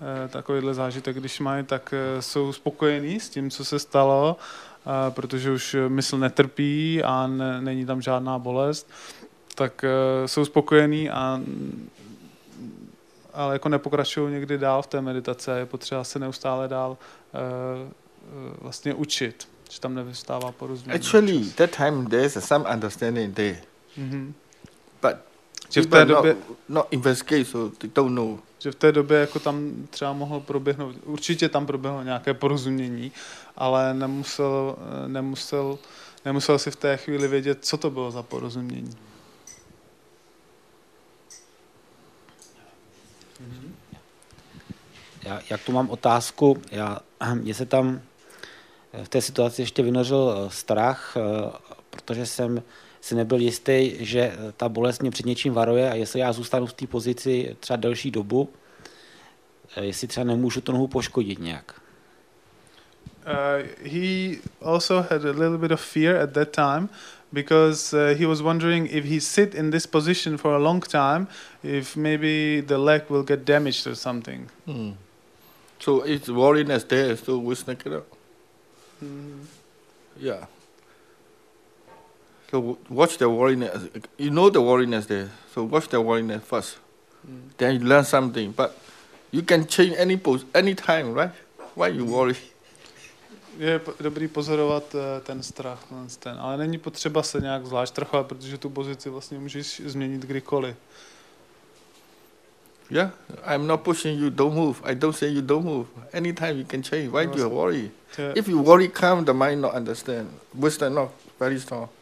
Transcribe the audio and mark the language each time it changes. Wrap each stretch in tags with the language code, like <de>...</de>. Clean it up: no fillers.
<cs>Takovýhle zážitek, když mají, tak jsou spokojení s tím, co se stalo, protože už mysl netrpí a není tam žádná bolest, tak jsou spokojení a ale jako nepokračují někdy dál v té meditaci a je potřeba se neustále dál vlastně učit, že tam nevystává porozumění.</cs> <en>Actually, that time there is some understanding there. Mm-hmm. But</en> <cs>že v té době</cs> <en>not investigate, so they don't know.</en> <cs>Že v té době jako tam třeba mohlo proběhnout, určitě tam proběhlo nějaké porozumění, ale nemusel si v té chvíli vědět, co to bylo za porozumění. Já, jak tu mám otázku, mně se tam v té situaci ještě vynořil strach, protože jsem si nebyl jistý, že ta bolest mě před něčím varuje a jestli já zůstanu v té pozici třeba delší dobu, jestli třeba nemůžu tu nohu poškodit nějak.</cs> <en>He also had a little bit of fear at that time because he was wondering if he sit in this position for a long time, if maybe the leg will get damaged or something. Mm. So it's worryness there, so we snake it up. Mm-hmm. Yeah. So watch the worryness. You know the worryness there, so watch the worryness first. Mm. Then you learn something. But you can change any pose, any time, right? Why you worry?</en> <cs>Je dobrý pozorovat ten strach, ten. Ale není potřeba se nějak zvlášť trochovat, protože tu pozici vlastně můžeš změnit kdykoliv.</cs> <en>Yeah, I'm not pushing you, don't move. I don't say you don't move. Anytime you can change. Why do you worry? If you worry, calm, the mind not understand. Wisdom not very strong.</en>